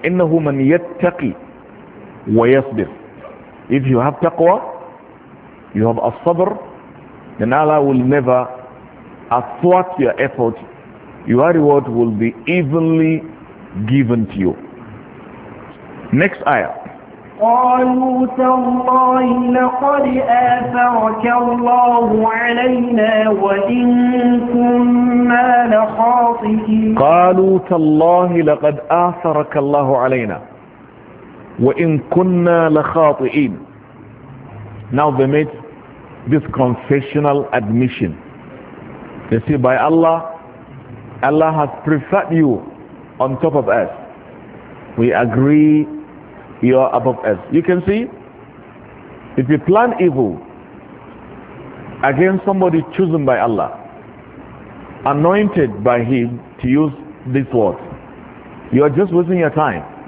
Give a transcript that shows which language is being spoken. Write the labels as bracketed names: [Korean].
[Arabic] إِنَّهُ مَنْ يَتَّقِي وَيَصْبِرْ. [English] If you have taqwa, you have as-sabr, then Allah will never thwart your effort. Your reward will be evenly given to you. Next ayah. [Arabic] قالوا تالله لقد آثرك الله علينا وإن كنا لخاطئين. قالوا تالله لقد آثرك الله علينا وإن كنا لخاطئين. [English] Now they made this confessional admission. They say, by Allah, Allah has preferred you on top of us. We agree. You are above us. You can see, if you plan evil against somebody chosen by Allah, anointed by Him to use this word, you are just wasting your time.